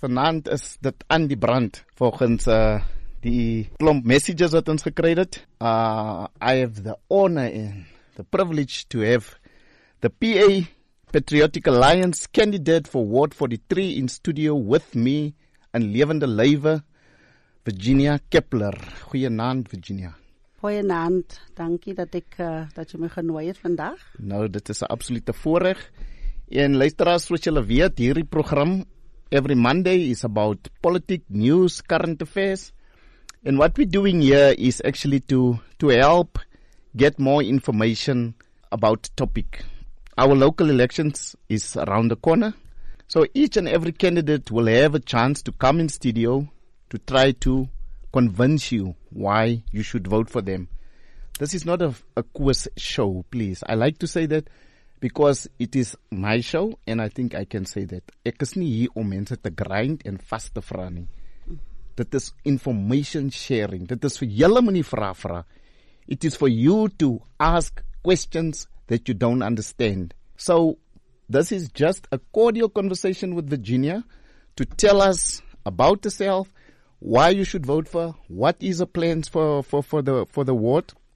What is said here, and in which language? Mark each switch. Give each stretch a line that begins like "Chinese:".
Afrikaans: Vanaand is dit aan die brand volgens die klomp messages wat ons gekry het.
English: I have the honor and the privilege to have the PA Patriotic Alliance candidate for Ward 43 in studio with me
Afrikaans: in levende lywe,
English: Virginia Kepler.
Afrikaans: Goeienaand, Virginia. Goeienaand, dankie dat jy my genooi het vandag. Nou, dit is 'n absolute voorreg. En luisteraars, soos julle weet, hierdie program
English: every Monday is about
Afrikaans: politiek,
English: news, current affairs. And what we're doing here is actually to help get more information about topic. Our local elections is around the corner. So each and every candidate will have a chance to come in studio to try to convince you why you should vote for them. This is not a quiz show, please. I like to say that because it is my show, and I think I can say that.
Afrikaans: Ek is nie hier om mense te grind en vas te vra nie. Dit is information sharing. Dit is vir julle om nie vra.
English: It is for you to ask questions that you don't understand. So this is just a cordial conversation with Virginia to tell us about herself, why you should vote for, what is her plans for the ward.